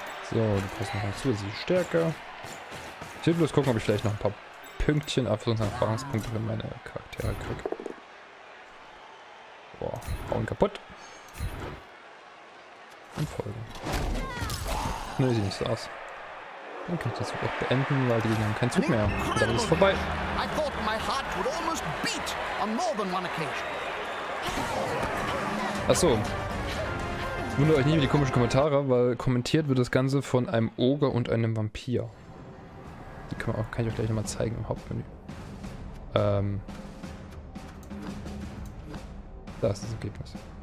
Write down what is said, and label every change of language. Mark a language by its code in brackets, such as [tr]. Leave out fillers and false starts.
[de] So, du brauchst noch eine zusätzliche Stärke. Ich will bloß gucken, ob ich vielleicht noch ein paar Pünktchen, Erfahrungspunkte für meine Charaktere kriege. Boah, hauen kaputt. Und folgen. Ne, sieht nicht so aus. Dann kann ich das auch beenden, weil die Gegner haben keinen Zug mehr. Und dann ist es vorbei. [en] I thought my heart would almost beat on more than one occasion. [de] Achso. Wundert euch nicht über die komischen Kommentare, weil kommentiert wird das Ganze von einem Oger und einem Vampir. Die kann ich euch gleich nochmal zeigen im Hauptmenü. Da ist das Ergebnis.